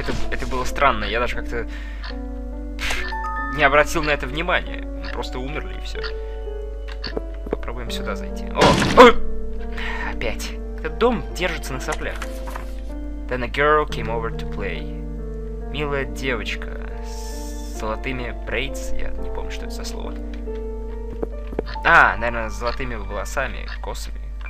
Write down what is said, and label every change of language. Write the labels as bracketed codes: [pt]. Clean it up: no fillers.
[ru] Это было странно, я даже как-то не обратил на это внимания. Мы просто умерли и все. Попробуем сюда зайти. О! Опять. Этот дом держится на соплях. [en] Then a girl came over to play. [ru] Милая девочка с золотыми braids. Я не помню, что это за слово. А, наверное, с золотыми волосами, косами.